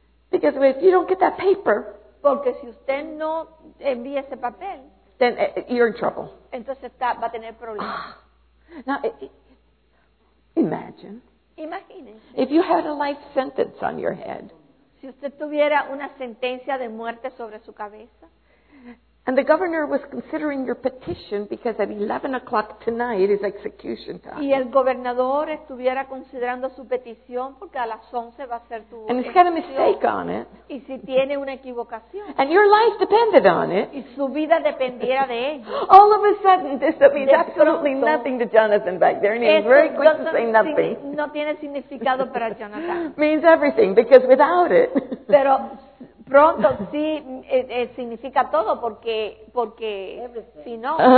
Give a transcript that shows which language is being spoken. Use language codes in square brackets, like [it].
[en] Because if you don't get that paper, [es] porque si usted no envía ese papel, [en] then you're in trouble. [es] Entonces va a tener problemas. [en] Now, imagine. [es] Imagine. [en] If you had a life sentence on your head. [es] Si usted tuviera una sentencia de muerte sobre su cabeza. [en] And the governor was considering your petition because at 11 o'clock tonight is execution time. [es] Y el gobernador estuviera considerando su petición porque a las 11 va a ser tu. [en] And he's got a mistake on it. [es] Y si tiene una equivocación. [en] And your life depended on it. [es] Y su vida dependiera de ello. [en] All of a sudden, this means absolutely nothing to Jonathan back there, and he's very quick to say nothing. [es] No tiene significado para Jonathan. [en] Means everything because without it. [es] Pero pronto sí significa todo porque si no